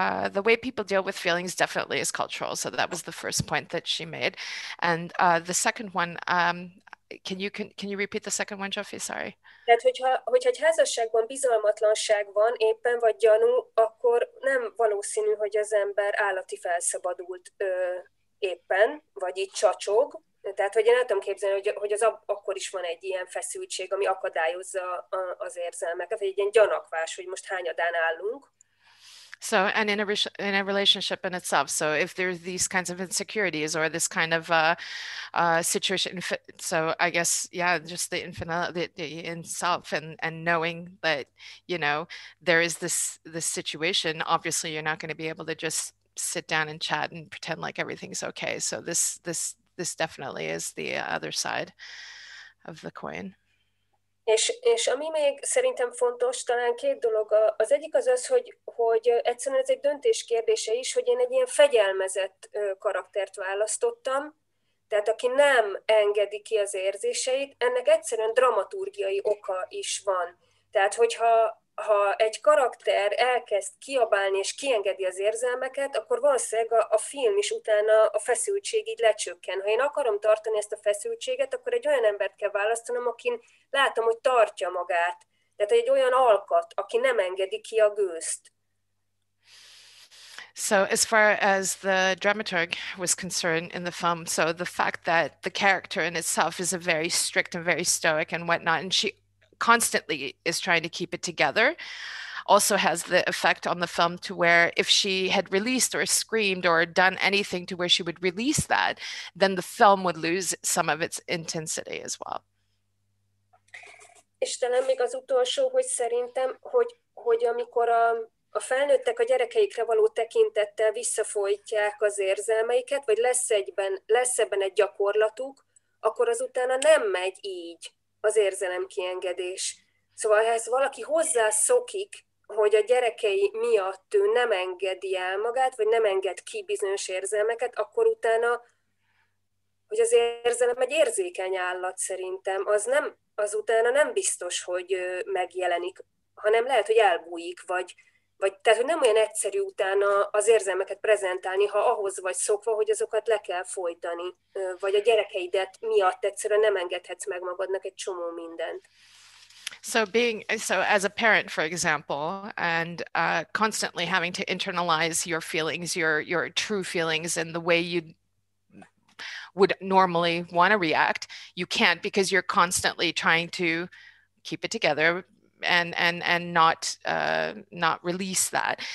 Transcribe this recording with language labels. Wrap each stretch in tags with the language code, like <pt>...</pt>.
<en>The way people deal with feelings definitely is cultural. So that was the first point that she made. And the second one, can you repeat the second one, Zsófia? Sorry.</en> <hu>Tehát, hogyha egy házasságban bizalmatlanság van éppen, vagy gyanú, akkor nem valószínű, hogy az ember állati felszabadult éppen, vagy így csacsog. Tehát, hogy én nem tudom képzelni, hogy az akkor is van egy ilyen feszültség, ami akadályozza az érzelmeket, vagy egy ilyen gyanakvás, hogy most hányadán állunk.</hu> <en>So, and in a relationship in itself, so if there's these kinds of insecurities or this kind of situation, so I guess, yeah, just the infinite, the in self and knowing that, you know, there is this situation, obviously you're not going to be able to just sit down and chat and pretend like everything's okay. So this definitely is the other side of the coin.</en> <hu>És ami még szerintem fontos, talán két dolog. Az egyik az, hogy egyszerűen ez egy döntés kérdése is, hogy én egy ilyen fegyelmezett karaktert választottam, tehát aki nem engedi ki az érzéseit, ennek egyszerűen dramaturgiai oka is van. Tehát hogyha egy karakter elkezd kiabálni és kiengedi az érzelmeket, akkor valószínűleg a film is utána a feszültség így lecsökken. Ha én akarom tartani ezt a feszültséget, akkor egy olyan embert kell választanom, akin látom, hogy tartja magát. Tehát egy olyan alkat, aki nem engedi ki a gőzt.</hu> <en>So as far as the dramaturg was concerned in the film, so the fact that the character in itself is a very strict and very stoic and whatnot, and she constantly is trying to keep it together, also has the effect on the film to where if she had released or screamed or done anything to where she would release that, then the film would lose some of its intensity as well.</en> <hu>És talán még az utolsó, hogy szerintem, hogy amikor a felnőttek a gyerekeikre való tekintettel visszafolytják az érzelmeiket, vagy lesz ebben egy gyakorlatuk, akkor azután nem megy így az érzelem kiengedés. Szóval ez valaki hozzászokik, hogy a gyerekei miatt ő nem engedi el magát, vagy nem enged ki bizonyos érzelmeket, akkor utána hogy az érzelem egy érzékeny állat szerintem, az nem, azután nem biztos, hogy megjelenik, hanem lehet, hogy elbújik, vagy tehát, hogy nem olyan egyszerű utána az érzelmeket prezentálni, ha ahhoz vagy szokva, hogy azokat le kell folytani, vagy a gyerekeidet miatt egyszerűen nem engedhetsz meg magadnak egy csomó mindent.</hu> <en>So as a parent, for example, and constantly having to internalize your feelings, your true feelings, and the way you would normally want to react, you can't because you're constantly trying to keep it together and not release that.</en>